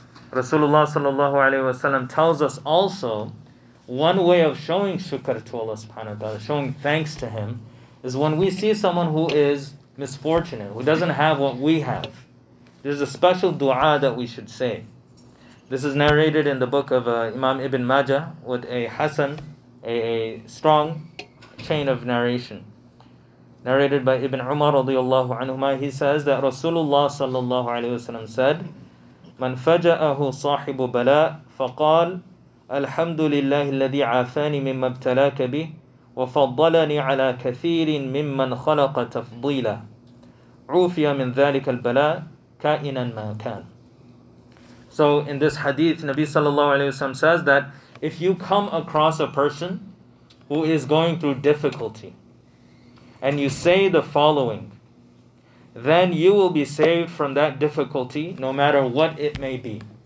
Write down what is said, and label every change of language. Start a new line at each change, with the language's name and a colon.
English: Rasulullah sallallahu alayhi wa sallam tells us also, one way of showing shukr to Allah subhanahu wa ta'ala, showing thanks to Him, is when we see someone who is misfortunate, who doesn't have what we have. There's a special dua that we should say. This is narrated in the book of Imam Ibn Majah with a Hassan, a strong chain of narration. Narrated by Ibn Umar radiyallahu anhumah, he says that Rasulullah sallallahu alayhi wa sallam said,
Arabic: من فجأه صاحب بلاء فقال الحمد لله الذي عافاني مما ابتلاك به وفضلني على كثير ممن خلق تفضيلا عوفي من ذلك البلاء كائنا ما كان.
English: So in this hadith, Nabi sallallahu alayhi wasallam says that if you come across a person who is going through difficulty and you say the following, then you will be saved from that difficulty, no matter what it may be.